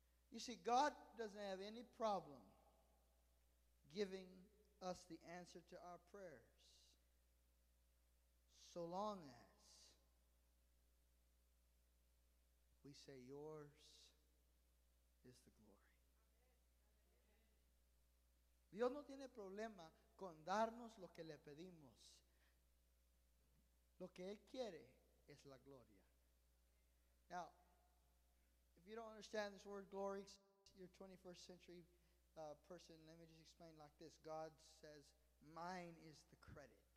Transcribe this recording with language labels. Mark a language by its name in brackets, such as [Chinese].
[English] You see, God doesn't have any problem giving us the answer to our prayers so long as we say, yours is the glory. [Spanish] Dios no tiene problema con darnos lo que le pedimos. Lo que Él quiere es la gloria. [English] Now, if you don't understand this word glory, you're a 21st century person, let me just explain like this. God says, mine is the credit.